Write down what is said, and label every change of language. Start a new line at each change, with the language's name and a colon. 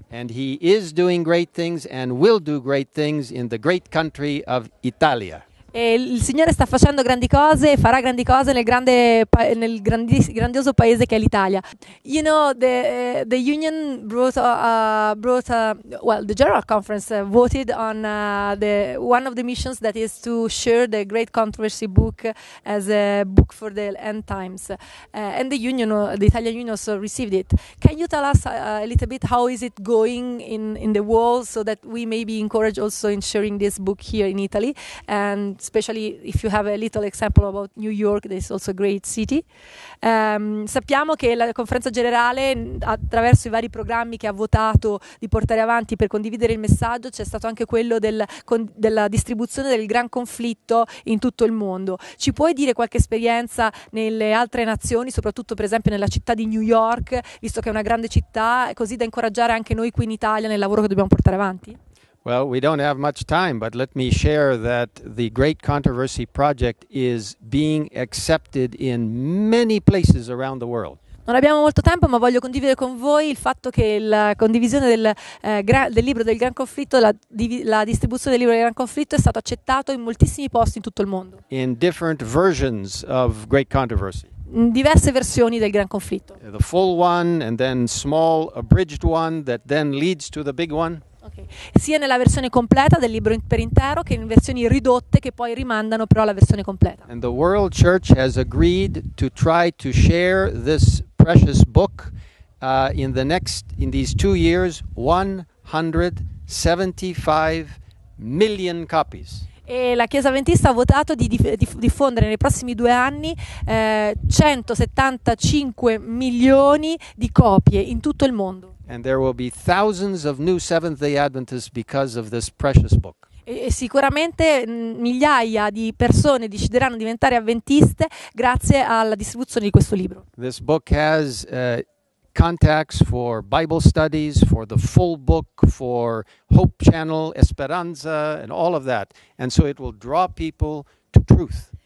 English: And he is doing great things and will do great things in the great country of Italia.
Italian: E il Signore sta facendo grandi cose e farà grandi cose nel grandioso paese che è l'Italia.
English: You know, the union the general conference voted on one of the missions, that is to share the great controversy book as a book for the end times. And the Italian union also received it. Can you tell us a little bit how is it going in the world, so that we maybe encourage also in sharing this book here in Italy? And especially if you have a little example about New York, this is also a great city.
Italian: Sappiamo che la conferenza generale, attraverso i vari programmi che ha votato di portare avanti per condividere il messaggio, c'è stato anche quello della distribuzione del gran conflitto in tutto il mondo. Ci puoi dire qualche esperienza nelle altre nazioni, soprattutto per esempio nella città di New York, visto che è una grande città, così da incoraggiare anche noi qui in Italia nel lavoro che dobbiamo portare avanti?
English: Well, we don't have much time, but let me share that the Great Controversy Project is being accepted in many places around the world.
Italian: Non abbiamo molto tempo, ma voglio condividere con voi il fatto che la condivisione del libro del Gran Conflitto, la distribuzione del libro del Gran Conflitto è stato accettato in moltissimi posti in tutto il mondo.
English: In different versions of Great Controversy. In
Italian: diverse versioni del Gran Conflitto.
English: The full one, and then small abridged one that then leads to the big one. Okay.
Italian: Sia nella versione completa del libro per intero che in versioni ridotte che poi rimandano però alla versione completa.
English: And the World Church has agreed to try to share this precious book in these 2 years 175 million copies.
Italian: E la Chiesa Avventista ha votato di diffondere nei prossimi 2 anni 175 milioni di copie in tutto il mondo.
English: And there will be thousands of new Seventh-day Adventists because of this precious book.
Italian: E sicuramente migliaia di persone decideranno di diventare avventiste grazie alla distribuzione di questo libro.
English: This book has contacts for Bible studies, for the full book, for Hope Channel, Esperanza, and all of that. And so it will draw people to truth.